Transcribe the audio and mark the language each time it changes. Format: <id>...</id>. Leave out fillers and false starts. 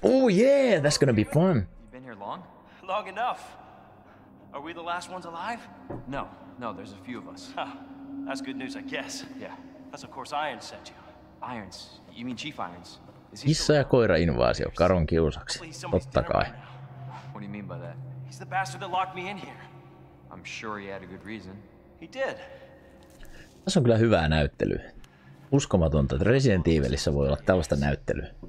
<en>Oh yeah, that's gonna be fun! You've been here long? Long enough! Are we the last ones alive? No, no, there's a few of us. That's good news, I guess. Yeah, that's of course Irons sent you. Irons? You mean Chief Irons?</en> <fi>Kissa ja koira invaasio Karon kiusaksi. Totta kai.</fi> <en>What do you mean by that? He's the bastard that locked me in here. I'm sure he had a good reason. He did.</en> <fi>Tässä on kyllä hyvää näyttelyä. Uskomatonta, että Resident Evilissä voi olla tällaista näyttelyä.</fi>